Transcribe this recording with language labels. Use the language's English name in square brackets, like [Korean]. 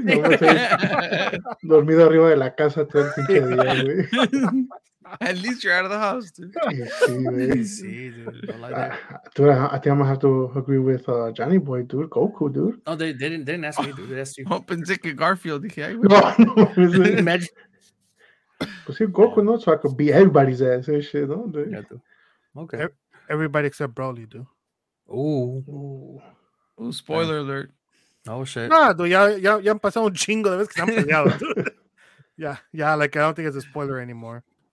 [Spanish] No, dormido arriba de la casa todo el pinche día, güey. [English] At least you're out of the house, dude. I think I'm gonna have to agree with Johnny Boy, dude. Goku, dude. No, they didn't ask me, dude. They asked you. Hope and Dick and Garfield. Imagine. Goku, no, so I could beat everybody's ass and shit, no, dude. Yeah, dude. Okay. Everybody except Broly, dude. Ooh. Ooh, spoiler alert. Oh shit. [Spanish] Nah, dude, ya han pasado un chingo de veces que están peleados, dude. [English] Yeah, like I don't think it's a spoiler anymore.